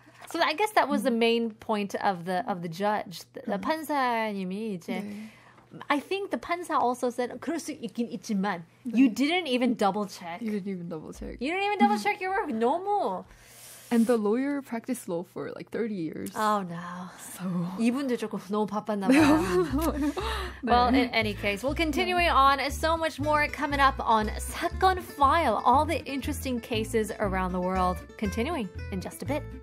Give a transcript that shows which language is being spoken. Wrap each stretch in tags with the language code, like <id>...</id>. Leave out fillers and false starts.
<en>So I guess that was the main point of the judge.</en> <ko>The 판사님이 이제 네.</ko> <en>I think the 판사 also said,</en> <ko>그럴 수 있긴 있지만, 네.</ko> <en>you didn't even double check. You didn't even double check. You didn't even double check your work. No more. And the lawyer practiced law for like 30 years. Oh no. So</en> <ko>이분도 조금 너무 바빴나 봐요.</ko> <en>Well, in any case, we'll continue on. So much more coming up on 사건 File, all the interesting cases around the world. Continuing in just a bit.</en>